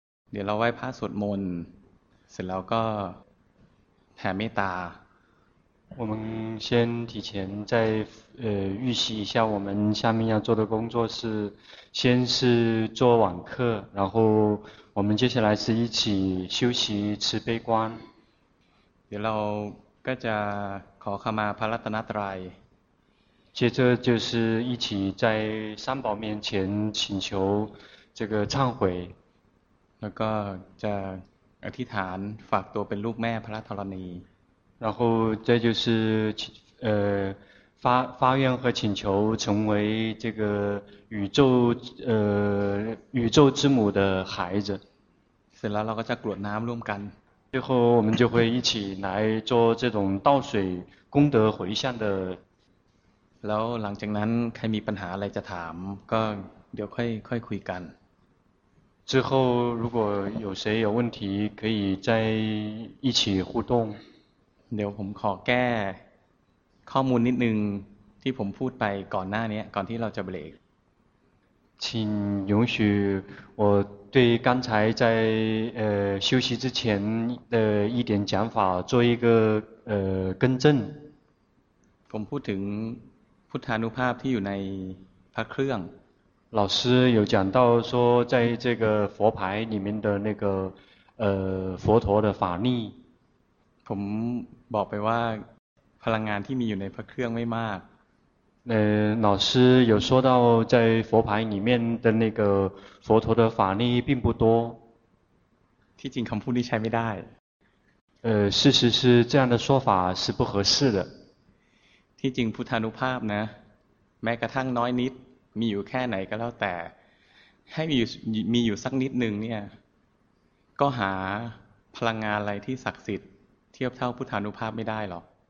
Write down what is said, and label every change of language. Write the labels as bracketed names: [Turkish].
[Thai] เดี๋ยวเราไหว้พระสวดมนต์เสร็จแล้วก็แผ่เมตตา [Chinese] 我们先提前再预习一下，我们下面要做的工作是，先是做网课，然后我们接下来是一起修习慈悲观。 [Thai] เดี๋ยวเราก็จะขอขมาพระรัตนตรัย [Chinese] 接着就是一起在三宝面前请求这个忏悔， [Thai] แล้วก็จะอธิษฐานฝากตัวเป็นลูกแม่พระธรณี [Chinese] 然后这就是发愿和请求成为这个宇宙之母的孩子。 [Thai] เสร็จแล้วเราก็จะกรวดน้ำร่วมกัน [Chinese] 最后我们就会一起来做这种倒水功德回向的。 [Thai] แล้วหลังจากนั้นใครมีปัญหาอะไรจะถามก็เดี๋ยวค่อยคุยกัน [Chinese] 之后如果有谁有问题可以再一起互动。 [Thai] เดี๋ยวผมขอแก้ข้อมูลนิดนึงที่ผมพูดไปก่อนหน้านี้ก่อนที่เราจะเบรก [Chinese] 请允许我对刚才在休息之前的一点讲法做一个更正。 [Thai] ผมพูดถึงพุทธานุภาพที่อยู่ในพระเครื่อง [Chinese] 老师有讲到说在这个佛牌里面的那个佛陀的法力。 [Thai] ผมบอกไปว่าพลังงานที่มีอยู่ในพระเครื่องไม่มาก [Chinese] 老师有说到在佛牌里面的那个佛陀的法力并不多。 [Thai] ที่จริงคำพูดนี้ใช้ไม่ได้ [Chinese] 事实是这样的说法是不合适的。 [Thai] ที่จริงพุทธานุภาพนะแม้กระทั่งน้อยนิดมีอยู่แค่ไหนก็แล้วแต่ให้มีอยู่สักนิดนึงเนี่ยก็หาพลังงานอะไรที่ศักดิ์สิทธิ์เทียบเท่าพุทธานุภาพไม่ได้หรอก